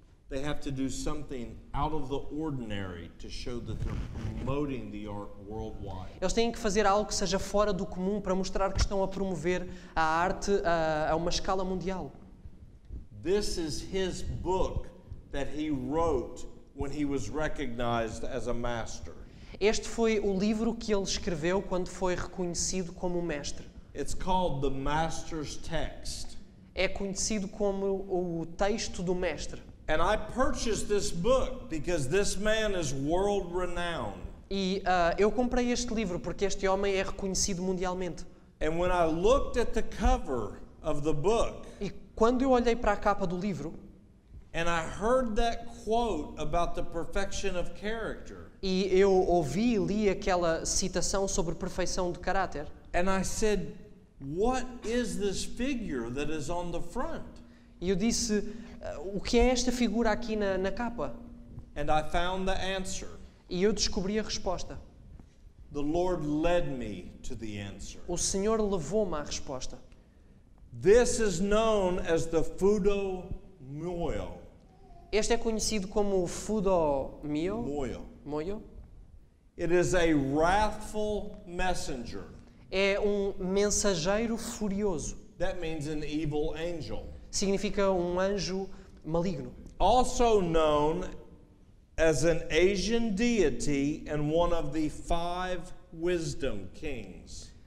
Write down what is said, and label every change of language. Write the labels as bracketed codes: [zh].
[en] They have to do something out of the ordinary to show that they're promoting the art worldwide. [pt] Eles têm que fazer algo que seja fora do comum para mostrar que estão a promover a arte a uma escala mundial. [en] This is his book that he wrote when he was recognized as a master. [pt] Este foi o livro que ele escreveu quando foi reconhecido como mestre. [en] It's called The Master's Text. [pt] É conhecido como o texto do mestre. [en] And I purchased this book because this man is world renowned. [pt] E eu comprei este livro porque este homem é reconhecido mundialmente. [en] And when I looked at the cover of the book, [pt] e quando eu olhei para a capa do livro, [en] and I heard that quote about the perfection of character, [pt] e eu ouvi e li aquela citação sobre perfeição de caráter, [en] and I said, what is this figure that is on the front? [pt] E eu disse, o que é esta figura aqui na capa? [en] And I found the answer. [pt] E eu descobri a resposta. [en] The Lord led me to the answer. [pt] O Senhor levou-me à resposta. [en] This is known as the Fudo Myo. [pt] Este é conhecido como o Fudo Myo. [en] Moyo. [pt] Moyo. [en] It is a wrathful messenger. [pt] É um mensageiro furioso. [en] That means an evil angel. [pt] Significa um anjo maligno. [en] also known as an Asian deity and one of the five wisdom kings.